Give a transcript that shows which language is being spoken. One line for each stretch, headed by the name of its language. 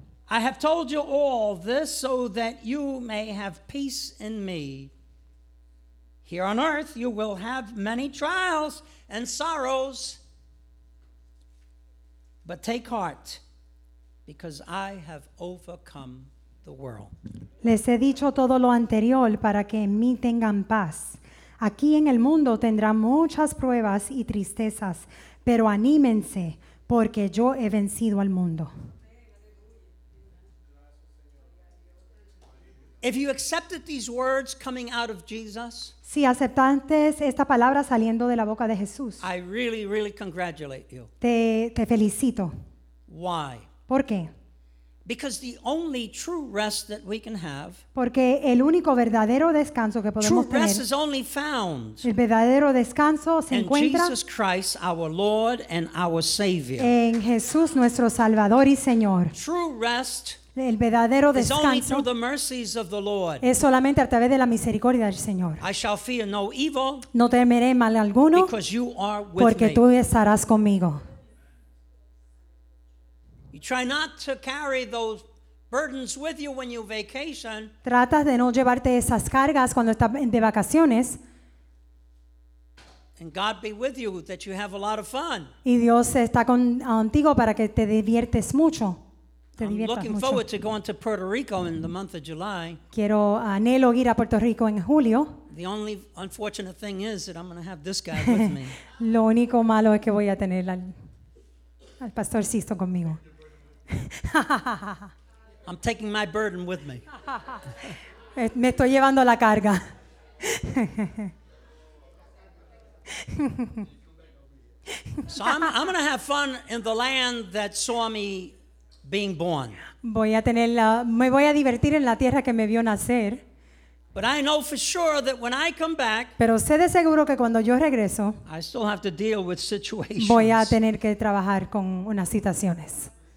English: I have told you all this so that you may have peace in me. Here on earth you will have many trials and sorrows, but take heart, because I have overcome the world.
Spanish: Les he dicho todo lo anterior para que en mí tengan paz. Aquí en el mundo tendrán muchas pruebas y tristezas, pero anímense, porque yo he vencido al mundo.
English: If you accepted these words coming out of Jesus,
Spanish: si aceptaste esta palabra saliendo de la boca de Jesús,
English: I really, really congratulate you.
Spanish: Te felicito.
English: Why?
Spanish: ¿Por qué?
English: Because the only true rest that we can have,
Spanish: porque el único verdadero descanso que podemos
English: true rest
Spanish: tener,
English: is only found,
Spanish: el verdadero descanso se encuentra,
English: in Jesus Christ, our Lord and our Savior.
Spanish: En Jesús, nuestro Salvador y Señor.
English: True rest,
Spanish: el verdadero descanso,
English: is only through the mercies of the Lord.
Spanish: Es solamente a través de la misericordia del Señor.
English: I shall fear no evil,
Spanish: no temeré mal alguno,
English: because you are with
Spanish: porque
English: me.
Spanish: Tú estarás conmigo.
English: Try not to carry those burdens with you when you vacation.
Spanish: Tratas de no llevarte esas cargas cuando estás de vacaciones.
English: And God be with you that you have a lot of fun.
Spanish: Y Dios está contigo para que te diviertes mucho. te diviertas mucho.
English: I'm looking forward to going to Puerto Rico in the month of July.
Spanish: Quiero anhelo ir a Puerto Rico en julio.
English: The only unfortunate thing is that I'm going to have this guy with me.
Spanish: Lo único malo es que voy a tener al pastor Sixto conmigo.
English: I'm taking my burden with me.
Spanish: Me estoy llevando la carga.
English: So I'm going to have fun in the land that saw me being born.
Spanish: Voy a tener me voy a divertir en la tierra que me vio nacer.
English: But I know for sure that when I come back,
Spanish: pero sé de seguro que cuando yo regreso,
English: I still have to deal with situations.
Spanish: Voy a tener que trabajar con unas situaciones.